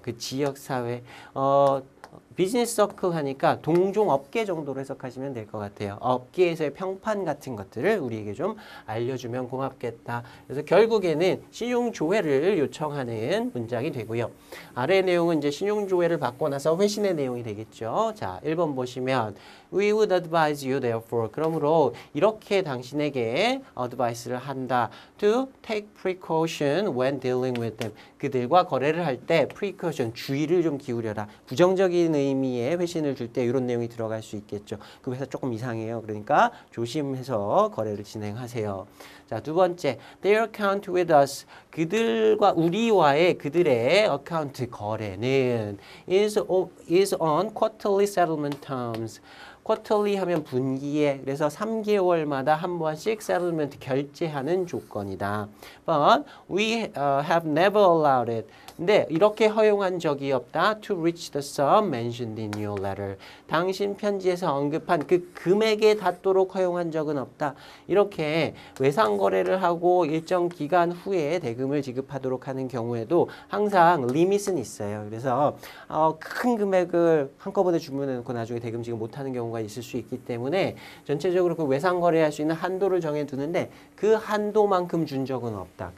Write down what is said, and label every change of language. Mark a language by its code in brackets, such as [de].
[ko] 그 지역사회. Business circle 하니까 동종 업계 정도로 해석하시면 될 것 같아요. 업계에서의 평판 같은 것들을 우리에게 좀 알려주면 고맙겠다. 그래서 결국에는 신용조회를 요청하는 문장이 되고요. 아래 내용은 이제 신용조회를 받고 나서 회신의 내용이 되겠죠. [en] 자, 1번 보시면 We would advise you therefore. [ko] 그러므로 이렇게 당신에게 advice를 한다. [en] To take precaution when dealing with them. [ko] 그들과 거래를 할 때 precaution, 주의를 좀 기울여라. 부정적인 의미의 회신을 줄 때 이런 내용이 들어갈 수 있겠죠. 그 회사 조금 이상해요. 그러니까 조심해서 거래를 진행하세요. 자, 두 번째, [en] their account with us. [ko] 그들과 우리와의 그들의 [en] account 거래는 is on quarterly settlement terms. [ko] Quarterly 하면 분기에, 그래서 3개월마다 한 번씩 settlement 결제하는 조건이다. [en] But we have never allowed it. [ko] 근데 이렇게 허용한 적이 없다. [en] To reach the sum mentioned in your letter. [ko] 당신 편지에서 언급한 그 금액에 닿도록 허용한 적은 없다. 이렇게 외상거래를 하고 일정 기간 후에 대금을 지급하도록 하는 경우에도 항상 limit은 있어요. 그래서 큰 금액을 한꺼번에 주문해놓고 나중에 대금 지급 못하는 경우 있을 수 있기 때문에 전체적으로 그 외상 거래할 수 있는 한도를 정해두는데 그 한도만큼 준 적은 없다.